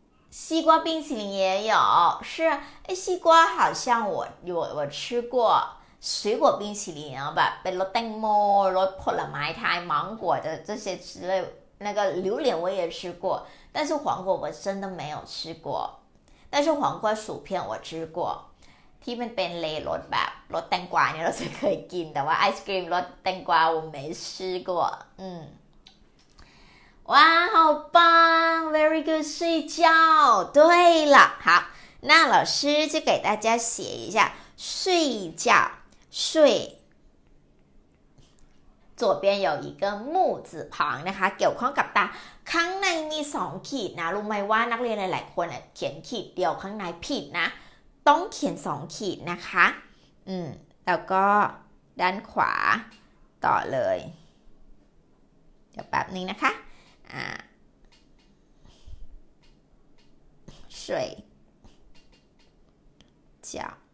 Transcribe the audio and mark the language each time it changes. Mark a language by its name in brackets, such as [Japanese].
[Chinese] 西瓜冰淇淋也有是西瓜好像我吃过水果冰淇淋啊吧 [Thai] เป็นรสแตงโมรสผลไม้ไทย [Chinese] 芒果的这些之类那个榴莲我也吃过，但是黄瓜我真的没有吃过。但是黄瓜薯片我吃过， [Thai] ที่มันเป็นเลย์รสแบบรสแตงกวาเนี่ยเราจะเคยกินแต่ว่าไอศกรีมรสแตงกวา [Chinese] 我没吃过。哇，好棒， [English] very good， [Chinese] 睡觉。对了，好，那老师就给大家写一下睡觉睡。左边有一个木字旁 [Thai] นะคะเกี่ยวข้องกับตาข้างในมีสองขีดนะรู้ไหมว่านักเรียนหลายๆคนเขียนขีดเดียวข้างในผิดนะต้องเขียนสองขีดนะคะแล้วก็ด้านขวาต่อเลยเดี๋ยวแป๊บนึงนะคะสวยเจ้า